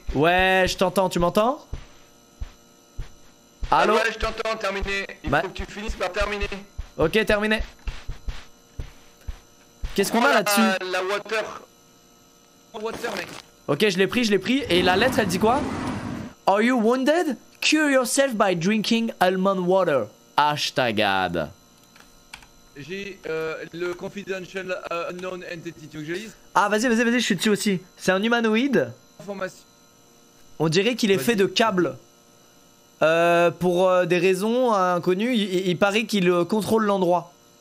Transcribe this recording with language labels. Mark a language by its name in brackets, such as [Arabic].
[French] Ouais, je t'entends, tu m'entends? Allô? Ouais, je t'entends, terminé. Il faut que tu finisses par terminer. Ok, terminé. Qu'est-ce qu'on a là-dessus? La water. Water, mec. Ok, je l'ai pris. Et la lettre, elle dit quoi? [English] Are you wounded? Cure yourself by drinking almond water. Hashtag ad. [French] J'ai le confidential unknown entity, tu veux que je lise? Ah vas-y, je suis dessus aussi. C'est un humanoïde. Information. On dirait qu'il est fait de câbles. Pour des raisons inconnues, il paraît qu'il contrôle l'endroit.